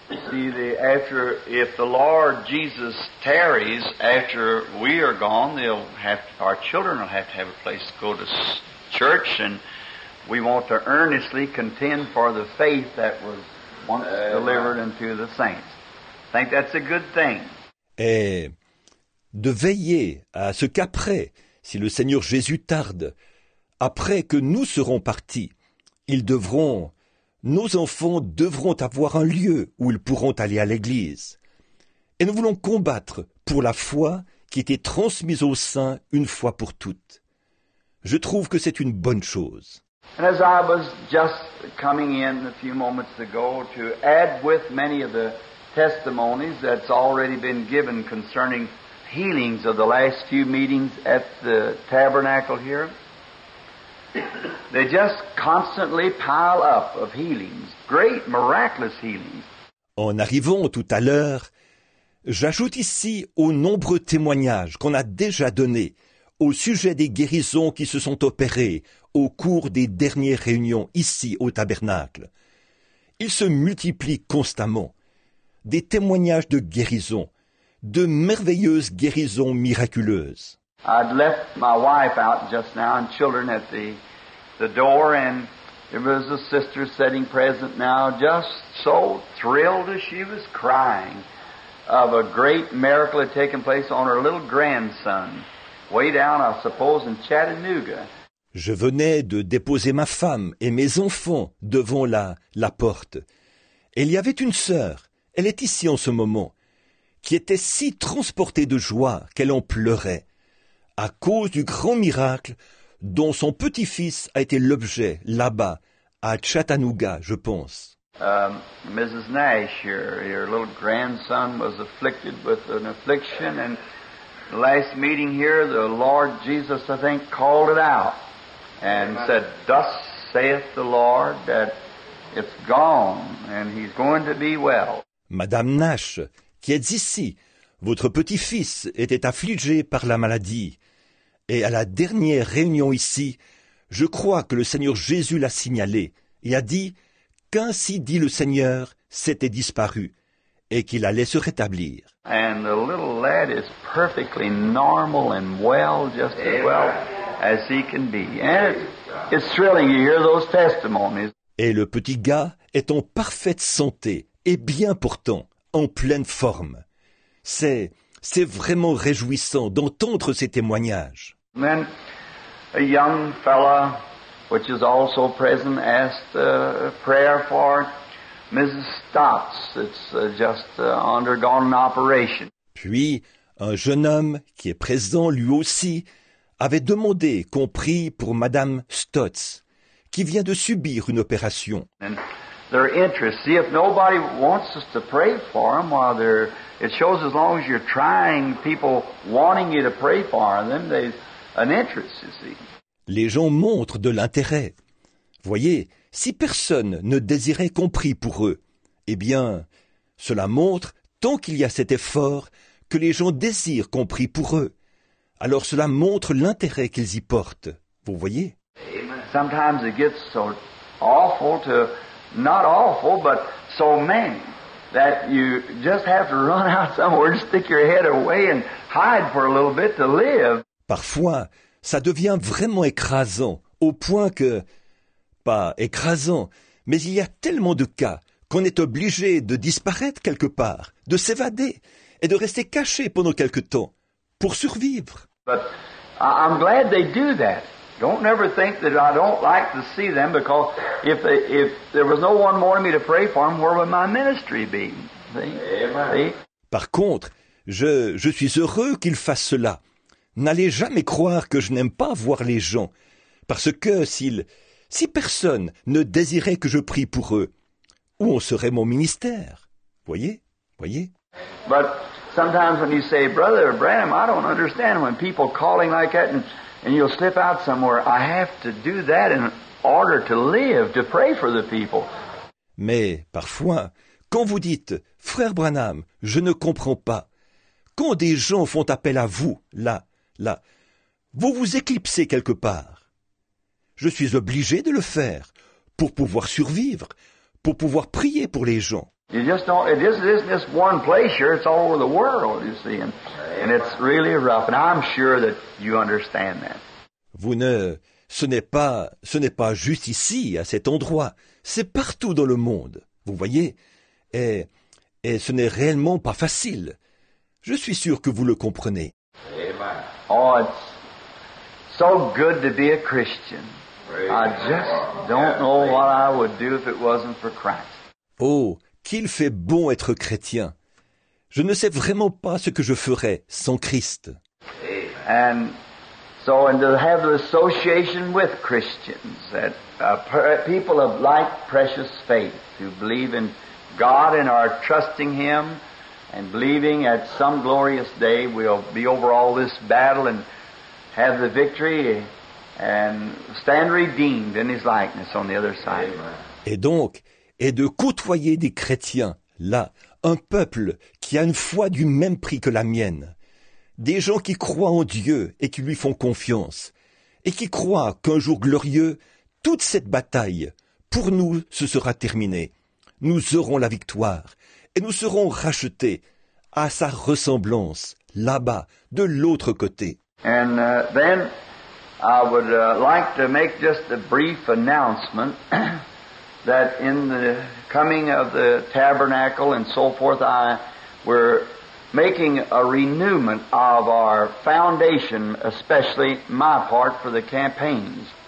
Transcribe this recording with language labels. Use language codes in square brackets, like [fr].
[en] See, the, after, if the Lord Jesus tarries after we are gone, they'll have to, our children will have to have a place to go to church, and we want to earnestly contend for the faith that was once delivered unto the saints. I think that's a good thing. [fr] Et de veiller à ce qu'après, si le Seigneur Jésus tarde, après que nous serons partis, ils devront... Nos enfants devront avoir un lieu où ils pourront aller à l'église. Et nous voulons combattre pour la foi qui était transmise aux saints une fois pour toutes. Je trouve que c'est une bonne chose. [en] And as I was just coming in a few moments ago to add with many of the testimonies that's already been given concerning healings of the last few meetings at the tabernacle here, they just constantly pile up of healings, great miraculous healings. [fr] En arrivant tout à l'heure, j'ajoute ici aux nombreux témoignages qu'on a déjà donnés au sujet des guérisons qui se sont opérées au cours des dernières réunions ici au tabernacle. Ils se multiplient constamment. Des témoignages de guérisons, de merveilleuses guérisons miraculeuses. [en] I'd left my wife out just now and children at the door, and there was a sister sitting present now, just so thrilled as she was crying of a great miracle had taken place on her little grandson, way down, I suppose, in Chattanooga. [fr] Je venais de déposer ma femme et mes enfants devant la porte. Et il y avait une sœur, elle est ici en ce moment, qui était si transportée de joie qu'elle en pleurait à cause du grand miracle dont son petit-fils a été l'objet là-bas, à Chattanooga, je pense. [en] Mrs. Nash, your little grandson was afflicted with an affliction, and last meeting here, the Lord Jesus, I think, called it out and said, "Thus saith the Lord, that it's gone, and he's going to be well." [fr] Madame Nash, qui êtes ici, votre petit-fils était affligé par la maladie. Et à la dernière réunion ici, je crois que le Seigneur Jésus l'a signalé et a dit qu'ainsi dit le Seigneur, c'était disparu et qu'il allait se rétablir. [en] And the little lad is perfectly normal and well, just as well as he can be. And it's thrilling, you hear those testimonies. [fr] Et le petit gars est en parfaite santé et bien pourtant en pleine forme. C'est vraiment réjouissant d'entendre ces témoignages. [en] Then a young fella, which is also present, asked a prayer for Mrs. Stotts. It's just undergone an operation. [fr] Puis un jeune homme qui est présent lui aussi avait demandé qu'on prie pour Madame Stotts, qui vient de subir une opération. [en] And their interest. See, if nobody wants us to pray for them while they're, it shows as long as you're trying, people wanting you to pray for them, there's an interest, you see. [fr] Les gens montrent de l'intérêt. Voyez, si personne ne désirait qu'on prie pour eux, eh bien, cela montre, tant qu'il y a cet effort, que les gens désirent qu'on prie pour eux. Alors cela montre l'intérêt qu'ils y portent. Vous voyez? [en] Sometimes it gets so awful to, not awful, but so many that you just have to run out somewhere, stick your head away and hide for a little bit to live. [fr] Parfois, ça devient vraiment écrasant, au point que, pas écrasant, mais il y a tellement de cas qu'on est obligé de disparaître quelque part, de s'évader et de rester caché pendant quelque temps pour survivre. [en] But I'm glad they do that. Don't never think that I don't like to see them, because if there was no one wanting me to pray for them, where would my ministry be? See? [fr] Par contre, je suis heureux qu'ils fassent cela. N'allez jamais croire que je n'aime pas voir les gens, parce que si personne ne désirait que je prie pour eux, où en serait mon ministère? Voyez? [en] But sometimes when you say, Brother Branham, I don't understand when people calling like that and you'll slip out somewhere. I have to do that in order to live, to pray for the people. [fr] Mais parfois, quand vous dites, Frère Branham, je ne comprends pas, quand des gens font appel à vous, là, vous vous éclipsez quelque part. Je suis obligé de le faire pour pouvoir survivre, pour pouvoir prier pour les gens. [en] You just don't, it isn't just one place here, it's all over the world, you see, and it's really rough, and I'm sure that you understand that. [fr] Ce n'est pas juste ici, à cet endroit, c'est partout dans le monde, vous voyez, et ce n'est réellement pas facile. Je suis sûr que vous le comprenez. [en] Oh, it's so good to be a Christian. I just don't know what I would do if it wasn't for Christ. [fr] Oh, qu'il fait bon être chrétien. Je ne sais vraiment pas ce que je ferais sans Christ. [en] And so, and to have the association with Christians, that people of like precious faith who believe in God and are trusting Him, and believing at some glorious day we'll be over all this battle and have the victory and stand redeemed in His likeness on the other side. Amen. [fr] Et donc, et de côtoyer des chrétiens, là, un peuple qui a une foi du même prix que la mienne, des gens qui croient en Dieu et qui lui font confiance, et qui croient qu'un jour glorieux, toute cette bataille, pour nous, se sera terminée. Nous aurons la victoire, et nous serons rachetés à sa ressemblance, là-bas, de l'autre côté. [en] And then, I would like to make just a brief announcement. That in the coming of the tabernacle and so forth, we're making a renewment of our foundation, especially my part for the campaigns.